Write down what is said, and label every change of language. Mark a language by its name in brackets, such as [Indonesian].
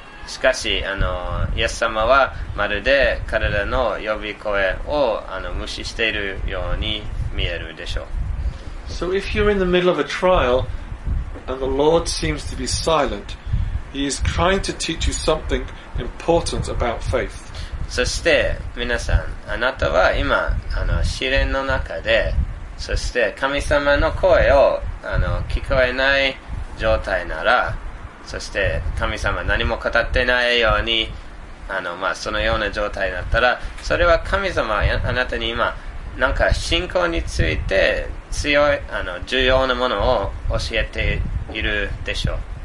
[Japanese] しかしあのイエス様はまるで彼らの呼び声をあの無視しているように見えるでしょう。 [English] So if you're in the middle of a trial and the Lord seems to be silent, He is trying to teach you something important about faith. [Japanese] そして皆さん、あなたは今あの試練の中で、そして神様の声をあの聞こえない状態なら、そして神様何も語ってないようにあの、まあ、そのような状態だったらそれは神様はあなたに今なんか信仰について強いあの重要なものを教えているでしょう。